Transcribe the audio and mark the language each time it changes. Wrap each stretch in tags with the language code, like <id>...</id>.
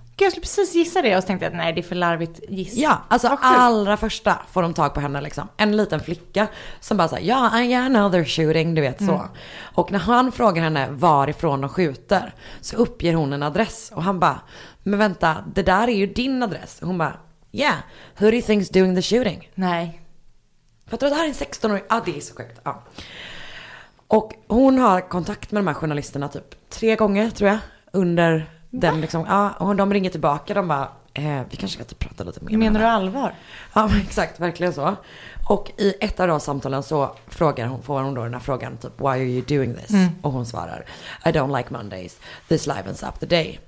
<sv>Gud, jag skulle precis gissa det och tänkte att nej, det är för larvigt giss. Ja, alltså allra första får de tag på henne liksom. En liten flicka som bara säger,</sv> <en>yeah, another shooting,</en> <sv>du vet så. Mm. Och när han frågar henne varifrån de skjuter så uppger hon en adress och han bara, men vänta, det där är ju din adress. Och hon bara,</sv> <en>yeah, who do you think's doing the shooting?</en> <sv>Nej. För att det här är en 16-årig, ja, det är så sjukt, ja. Och hon har kontakt med de här journalisterna typ 3 gånger tror jag under den liksom, ja, och de ringer tillbaka, de bara, vi kanske ska typ prata lite mer. Menar du allvar? Ja, exakt, verkligen så. Och i ett av de samtalen så frågar hon, får hon då den här frågan typ,</sv> <en>why are you doing this?</en> <sv>Mm. Och hon svarar,</sv> <en>I don't like Mondays, this livens up the day.</en>